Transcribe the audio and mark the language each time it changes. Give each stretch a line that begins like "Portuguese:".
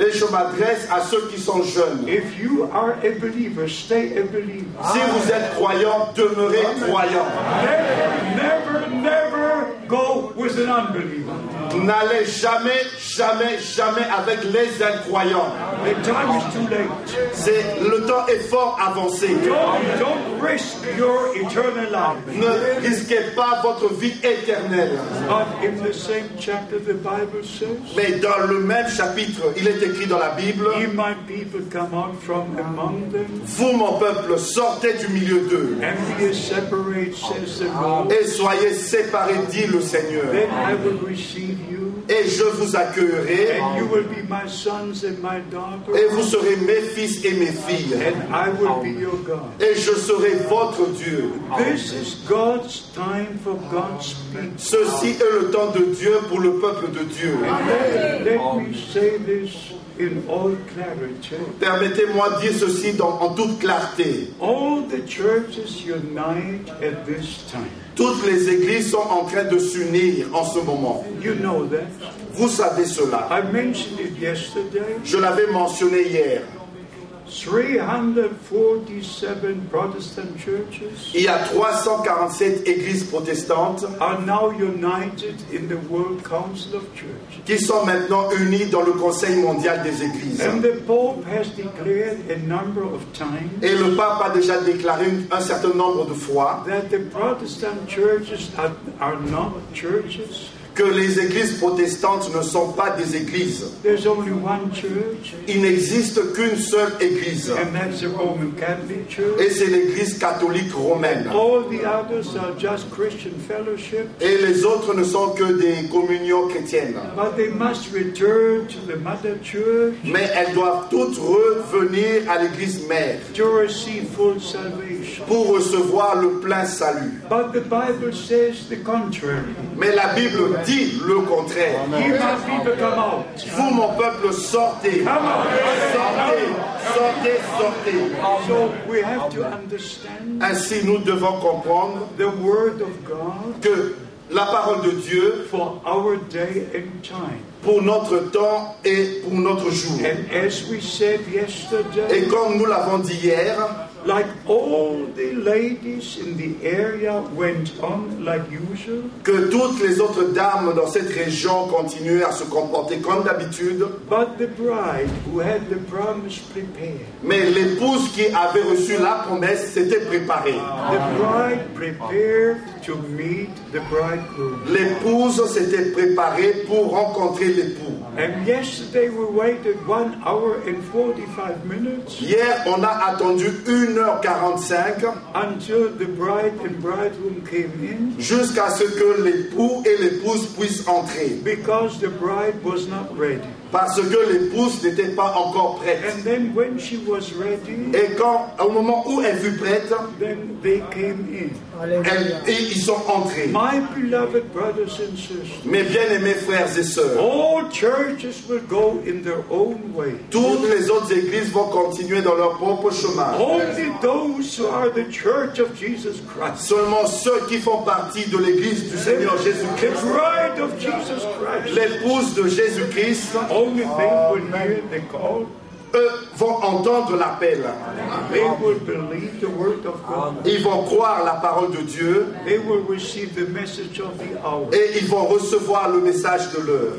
French: Et je m'adresse à ceux qui sont jeunes.
English: If you are a believer, stay a believer.
French: Si vous êtes croyant, demeurez croyant.
English: Never go with an unbeliever.
French: N'allez jamais avec les incroyants.
English: The time is too late.
French: C'est le temps est fort avancé.
English: Don't risk your eternal life.
French: Ne risquez pas votre vie éternelle.
English: But in the same chapter the Bible says.
French: Mais dans le même chapitre, il est écrit dans la Bible.
English: Ye, my people, come out from among them.
French: Vous, mon peuple, sortez du milieu d'eux.
English: And be separate, says the Lord.
French: Et soyez séparés, dit le Seigneur.
English: Then I will receive.
French: Et je vous accueillerai.
English: And you will be my sons and my daughters.
French: Et vous serez mes fils et mes filles.
English: And I will be your God.
French: Et je serai votre Dieu.
English: This is God's time for God's people.
French: Ceci est le temps de Dieu pour le peuple de Dieu.
English: Let me say this in all clarity.
French: Permettez-moi de dire ceci en toute clarté.
English: All the churches unite at this time.
French: Toutes les églises sont en train de s'unir en ce moment.
English: You know that.
French: Vous savez cela.
English: I mentioned it yesterday.
French: Je l'avais mentionné hier.
English: 347 Protestant churches.
French: Il y a 347 églises protestantes.
English: Are now united in the World Council of Churches.
French: Qui sont maintenant unies dans le Conseil mondial des églises.
English: And the Pope has declared a number of times.
French: Et le Pape a déjà déclaré un certain nombre de fois.
English: That the Protestant churches are not churches.
French: Que les églises protestantes ne sont pas des églises.
English: There's only one church.
French: Il n'existe qu'une seule église.
English: And that's the Roman Catholic Church.
French: Et c'est l'église catholique romaine.
English: All the others are just Christian fellowships.
French: Et les autres ne sont que des communions chrétiennes.
English: But they must return to the mother church.
French: Mais elles doivent toutes revenir à l'église mère.
English: To receive full salvation.
French: pour recevoir le plein salut.
English: But the Bible says the contrary.
French: Mais la Bible dit le contraire. Vous, mon peuple, sortez. Sortez.
English: So we have to understand.
French: Ainsi, nous devons comprendre
English: the word of God
French: que la parole de Dieu
English: for our day and time.
French: Pour notre temps et pour notre jour.
English: And as we said yesterday,
French: et comme nous l'avons dit hier,
English: like all the ladies in the area went on like usual,
French: que toutes les autres dames dans cette région continuaient à se comporter comme d'habitude,
English: but the bride who had the promise prepared,
French: mais l'épouse qui avait reçu la promesse s'était préparée.
English: The bride prepared to meet the bridegroom.
French: L'épouse s'était préparée pour rencontrer l'époux.
English: And yesterday we waited 1 hour and 45 minutes.
French: Hier, on a attendu 1h45
English: until the bride and bridegroom came in,
French: jusqu'à ce que l'époux et l'épouse puissent entrer.
English: Because the bride was not ready.
French: Parce que l'épouse n'était pas encore prête.
English: And then when she was ready,
French: et quand, au moment où elle fut prête,
English: then they came in.
French: Et ils sont entrés.
English: My beloved brothers and sisters,
French: mes bien-aimés frères et sœurs,
English: all churches will go in their own way.
French: Toutes les autres églises vont continuer dans leur propre chemin.
English: Only those who are the church of Jesus Christ.
French: Seulement ceux qui font partie de l'église du Seigneur Jésus-Christ.
English: The bride of Jesus Christ.
French: L'épouse de Jésus-Christ.
English: Only they will hear the call.
French: Eux vont entendre l'appel.
English: They will believe the word of God.
French: Ils vont croire la parole de Dieu.
English: They will receive the message of the hour.
French: Et ils vont recevoir le message de l'heure.